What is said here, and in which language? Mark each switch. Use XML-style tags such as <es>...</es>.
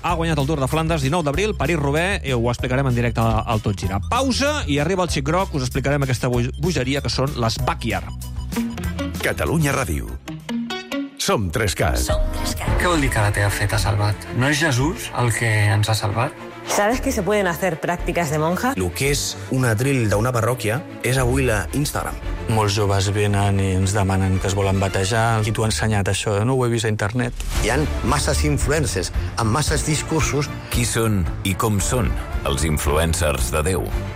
<ca>Ha guanyat el Tour de Flandes 19 d'abril, París-Roubaix, i ho explicarem en directe al Tot Gira. Pausa, i arriba el xic groc, us explicarem aquesta bogeria que són les Bakiar. Catalunya Ràdio. Som 3Cat. Què vol dir que la teva fe t'ha salvat? No és Jesús el que ens ha salvat?</ca> <es>¿Sabes que se pueden hacer prácticas de monja? Lo que</es> <ca>és un atril d'una parròquia és avui la Instagram. Molts joves venen i ens demanen que es volen batejar. Qui t'ho ha ensenyat, això? No ho he vist a internet. Hi han masses influencers amb masses discursos. Qui són i com són els influencers de Déu?</ca>